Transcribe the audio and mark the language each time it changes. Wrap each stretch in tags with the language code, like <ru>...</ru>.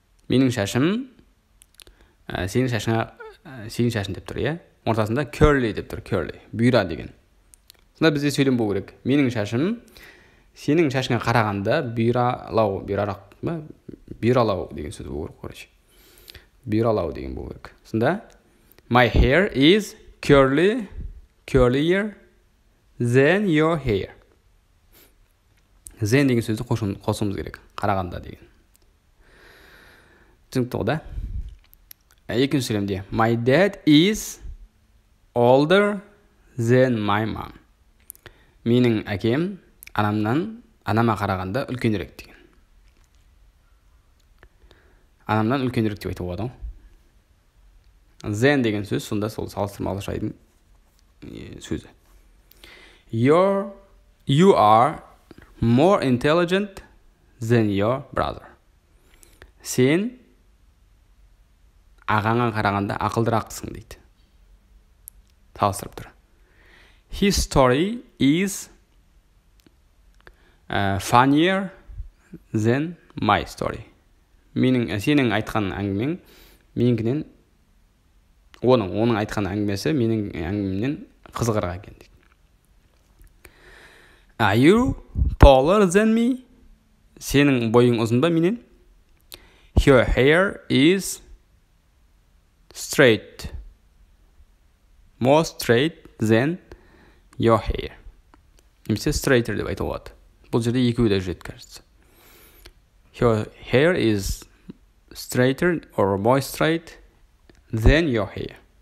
<kk>Менің шашым сенің шашыңа сенің шашың деп тұр, иә? Ортасында curly деп тұр, curly. Бұйра деген. Сонда бізде сөйлем болу керек. Менің шашым сенің шашыңа қарағанда бұйралау, бұйрарақ ма? Бұйралау деген сөз болу керек, короче. Бұйралау деген болу керек.</kk> <en>Сонда my hair is curly, curlier than your hair.</en> <kk>Than деген сөзді қосуымыз керек. Қарағанда деген. Түсінікті ғой, да? Екінші сөйлемде.</kk> <en>My dad is older than my mom.</en> <kk>Менің әкем анама қарағанда үлкенірек деген. Анамнан үлкенірек деп айтып болады. Then деген сөз сонда сол салыстырмалы шайдың сөзі.</kk> <en>You are more intelligent than your brother. Сен</en> <kk>ағаңа қарағанда ақылдырақсың дейді. Талыстырып тұр.</kk> <en>His story is funnier than my story.</en> <kk>Менің сенің айтқан әңгімең менікінен оның айтқан әңгімесі менің әңгімемнен қызығырақ екен дейді.</kk> <en>Are you taller than me?</en> <kk>Сенің бойың ұзын ба менен?</kk> <en>Your hair is straight. More straight than your hair.</en> <kk>Немесе straighter деп айтуға болады. Бұл жерде екеуі де жүреді қазір.</kk> <en>Your hair is straighter or more straight than your hair.</en>